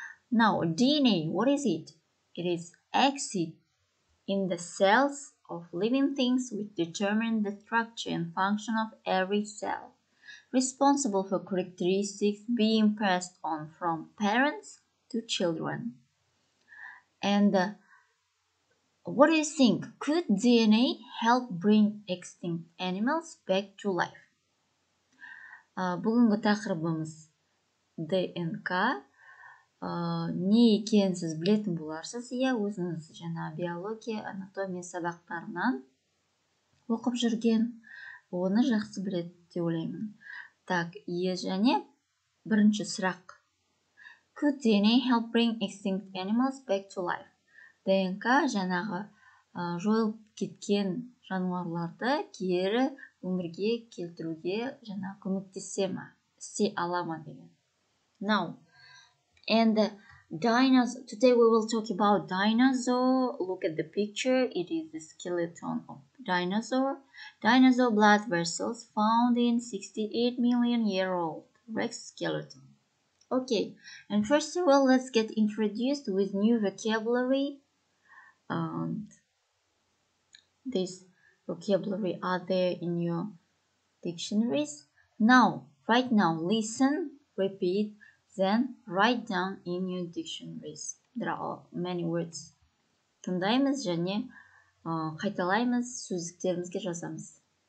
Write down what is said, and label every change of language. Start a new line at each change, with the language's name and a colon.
English: Now, DNA, what is it? It is acid in the cells of living things which determine the structure and function of every cell. Responsible for characteristics being passed on from parents to children. And what do you think? Could DNA help bring extinct animals back to life?
Kazakh: Бүгінгі тақырыбымыз ДНК. Не екенін сіз білетін боларсыз, иә, өзіңіз жаңа биология, анатомия сабақтарынан оқып жүрген, оны жақсы білет деп ойлаймын. Так, және бірінші сұрақ.
English: Could DNA help bring extinct animals back to life?
Kazakh: ДНК жаңағы жойылып кеткен жануарларды кері өмірге келтіруге жаңа көмектесе ма? Істей ала ма деген.
English: Now, and the dinosaur. Today we will talk about dinosaur. Look at the picture. It is the skeleton of dinosaur. Dinosaur blood vessels found in 68 million year old Rex skeleton. Okay, and first of all, let's get introduced with new vocabulary. This vocabulary are there in your dictionaries. Now, right now, listen, repeat, then write down in your dictionaries. There are many words.
Kazakh: Тыңдаймыз және қайталаймыз, сөздіктерімізге жазамыз.